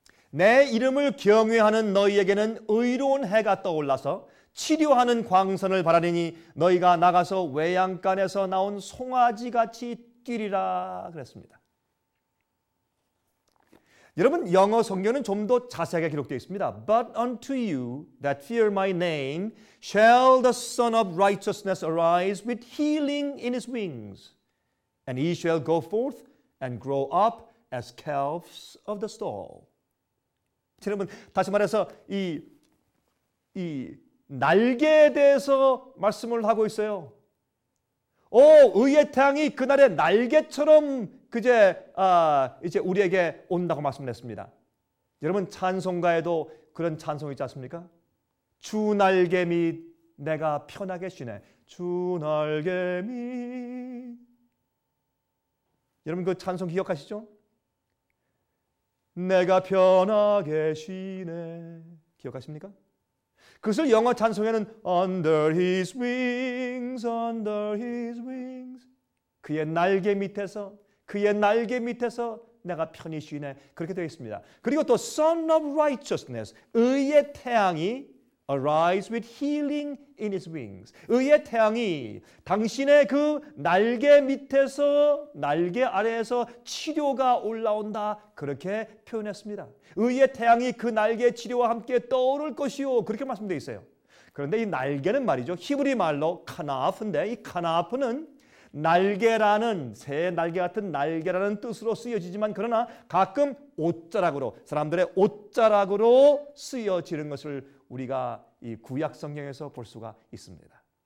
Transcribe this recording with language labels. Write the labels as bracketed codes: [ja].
[ko] 내 이름을 경외하는 너희에게는 의로운 해가 떠올라서 치료하는 광선을 바라리니 너희가 나가서 외양간에서 나온 송아지같이 뛰리라 그랬습니다. 여러분 영어 성경은 좀 더 자세하게 기록되어 있습니다. [en] But unto you that fear my name shall the Son of Righteousness arise with healing in his wings. And he shall go forth and grow up as calves of the stall. [ko] 여러분 다시 말해서 이 날개에 대해서 말씀을 하고 있어요. 오, 의의 태양이 그날의 날개처럼 그제 이제 우리에게 온다고 말씀을 했습니다. 여러분 찬송가에도 그런 찬송이 있지 않습니까? 주 날개 밑 내가 편하게 쉬네. 주 날개 밑. 여러분 그 찬송 기억하시죠? 내가 편하게 쉬네. 기억하십니까? 그것을 영어 찬송에는 [en] Under his wings, under his wings. [ko] 그의 날개 밑에서, 그의 날개 밑에서 내가 편히 쉬네. 그렇게 되어 있습니다. 그리고 또 [en] Son of Righteousness, [ko] 의의 태양이 [en] Arise with healing in his wings. [ko] 의의 태양이 당신의 그 날개 밑에서, 날개 아래에서 치료가 올라온다. 그렇게 표현했습니다. 의의 태양이 그 날개 치료와 함께 떠오를 것이요. 그렇게 말씀되어 있어요. 그런데 이 날개는 말이죠. 히브리 말로 카나프인데 이 카나프는 날개라는, 새 날개 같은 날개라는 뜻으로 쓰여지지만 그러나 가끔 옷자락으로, 사람들의 옷자락으로 쓰여지는 것을 우리가 이 구약 성경에서 볼 수가 있습니다.